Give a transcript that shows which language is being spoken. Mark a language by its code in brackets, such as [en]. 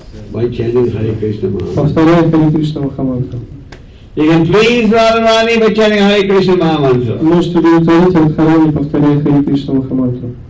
[ru] Повторяя Хари Кришна Махамантру. [en] You can please Radharani by chanting Hare Krishna Mahamantra. [ru] Можете удовлетворить Радхарани, повторяя Хари Кришна Махамантру.